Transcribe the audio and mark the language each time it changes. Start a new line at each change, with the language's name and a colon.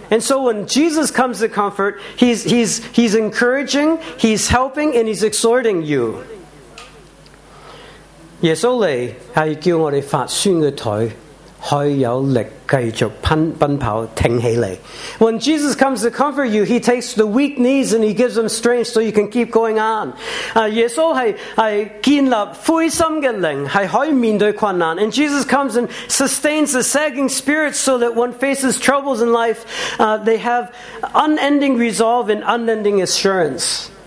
English: And so when Jesus comes to comfort, he's encouraging, he's helping, and he's exhorting you.
Chinese: 耶稣来是叫我们发酸的腿可以有力继续奔跑挺起来。
English: When Jesus comes to comfort you, he takes the weak knees and he gives them strength so you can keep going on.
Chinese: 耶稣是建立灰心的灵，是可以面对困难。
English: And Jesus comes and sustains the sagging spirits so that one faces troubles in life, they have unending resolve and unending assurance.